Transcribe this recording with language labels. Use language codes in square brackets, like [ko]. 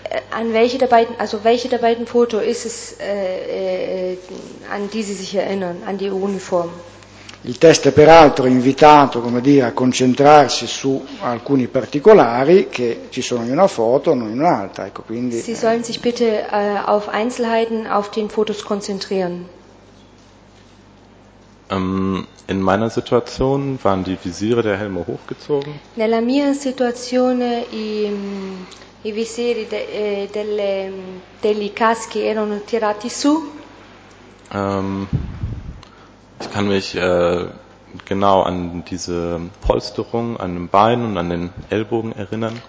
[de] An welche der beiden, also welche der beiden Foto ist es an die sie sich erinnern, an die Uniform? [it] Il test è peraltro invitato, come dire, a concentrarsi su alcuni particolari che ci sono in una foto, non in un'altra, ecco, quindi [de] Sie sollen sich bitte auf Einzelheiten auf den Fotos konzentrieren. In meiner Situation waren die Visiere der Helme hochgezogen. [it] Nella mia situazione i visieri degli caschi erano tirati su. [de] Ich kann mich genau an diese Polsterung an dem Bein und an den Ellbogen erinnern.